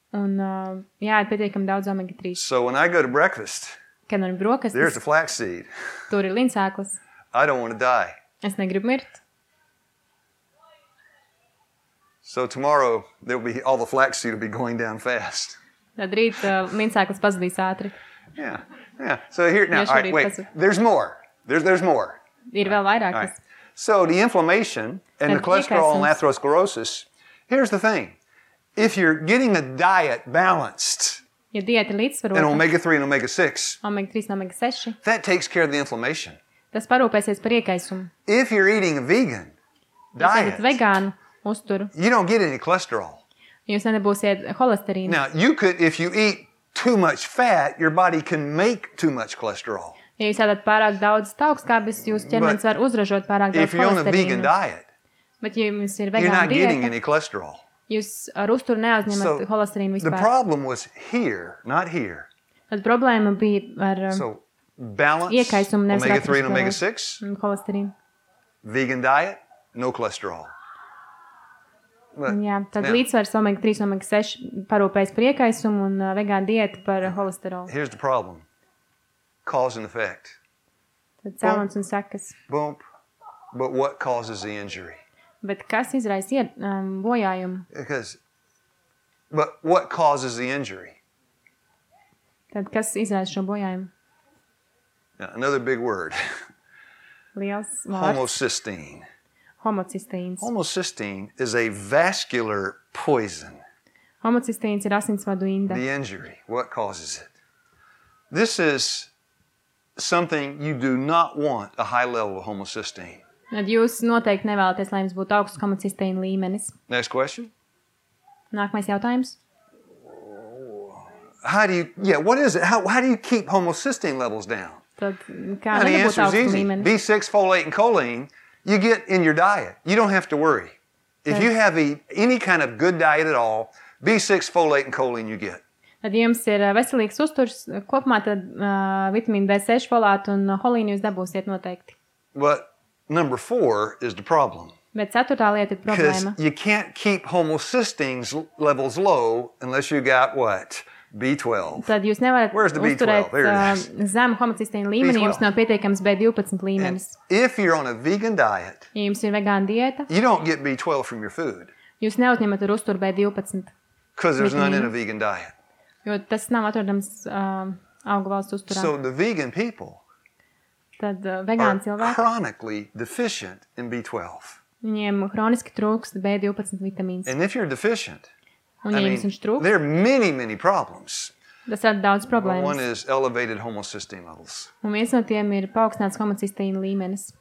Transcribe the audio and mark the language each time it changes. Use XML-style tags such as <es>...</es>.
<lv>Un jāēd pietiekami daudz omega 3.</lv> <en>So when I go to breakfast.</en> <lv>Kad man ir brokastis.</lv> <en>There's a flax seed.</en> <lv>Tur ir linsēklas.</lv> <en>I don't want to die.</en> <lv>Es negribu mirt.</lv> <en>So tomorrow there will be all the flax seed will be going down fast.</en> <lv>Tad rīt minsēklas pazudīs ātri.</lv> <en>Yeah. So here now, all right, wait. There's more. There's more.</en> <lv>Ir vēl vairāk.</lv> <en>Right. So the inflammation and the cholesterol and atherosclerosis. Here's the thing. If you're getting a diet balanced.</en> <lv>Ja diēta līdzsvarota.</lv> <en>And omega-3 and omega-6.</en> <lv>Omega-3 un omega-6.</lv> <en>That takes care of the inflammation.</en> <lv>Tas parūpēsies par iekaisumu.</lv> <en>If you're eating a vegan diet.</en> <lv>Uzturu.</lv> <en>You don't get any cholesterol.</en> <lv>Jūs nebūsiet holesterīnu.</lv> <en>Now, you could, if you eat too much fat, your body can make too much cholesterol.</en> <lv>Ja jūs ēdat pārāk daudz taukskābes, jūs ķermenis var uzražot pārāk daudz cholesterīnu.</lv> <en>If you're on a vegan diet,</en> <lv>bet ja jums ir vegāna diēta,</lv> <en>you're not getting any cholesterol.</en> <lv>Jūs ar uzturu neuzņemat</lv> <en>so,</en> <lv>holesterīnu vispār.</lv> <en>The problem was here, not here.</en> <lv>Tad problēma bija ar iekaisumu, nevis</lv> <en>omega-3 and omega-6.</en> <lv>Holesterīnu.</lv> <en>Vegan diet, no cholesterol.</en> <lv>But, jā, tad līdzsvars omega-3, omega-6 parūpējas par iekaisumu un vegāna diēta par holesterolu.</lv> <en>Here's the problem. Cause and effect.</en> <lv>Tad cēlums un sekas.</lv> <en>Bump. But what causes the injury?</en> <lv>Bet kas izraisa bojājumu?</lv> <en>Because, but what causes the injury?</en> <lv>Tad kas izraisa šo bojājumu?</lv> <en>Now, another big word.</en> <lv>Liels vārds. Homocysteine. Homocysteine.</lv> <en>Homocysteine is a vascular poison.</en> <lv>Homocysteine ir asinsvadu inde.</lv> <en>The injury, what causes it? This is something you do not want, a high level of homocysteine.</en> <lv>Tad jūs noteikti nevēlaties, lai jums būtu augsts homocysteine līmenis.</lv> <en>Next question.</en> <lv>Nākamais jautājums.</lv> <en>How do you keep homocysteine levels down?</en> <lv>Tad kā nebūt augsts līmenis?</lv> <en>B6, folate and choline. You get in your diet. You don't have to worry. If you have any kind of good diet at all, B6, folate, and choline you get.</en> <lv>tad jums ir veselīgs uzturs, kopumā tad vitamīnu B6 folātu un holīnu jūs dabūsiet noteikti.</lv> <en>But number 4 is the problem.</en> <lv>Bet ceturtā lieta ir problēma.</lv> <en>Because you can't keep homocysteine levels low unless you got what? B12.</en> <lv>Tad jūs nevarat uzturēt zemu homocisteīnu līmeni, jums nav pietiekams B12 līmenis.</lv> <en>And if you're on a vegan diet,</en> <lv>ja jums ir vegāna diēta,</lv> <en>you don't get B12 from your food.</en> <lv>Jūs neuzņemat ar uzturu B12.</lv> <en>Because there's none in a vegan diet.</en> <lv>Jo tas nav atrodams augu valstu uzturā.</lv> <en>So the vegan people</en> <lv>tad, vegāni cilvēki</lv> <en>are chronically deficient in B12.</en> <lv>Viņiem hroniski trūkst B12 vitamīns.</lv> <en>And if you're deficient,</en> <lv>un, ja jums trūkst,</lv> <en>there are many, many problems.</en> <lv>Tas ir daudz problēmas.</lv> <en>One is elevated homocysteine levels.</en> <lv>Un viens no tiem ir paaugstināts homocysteīna līmenis.</lv>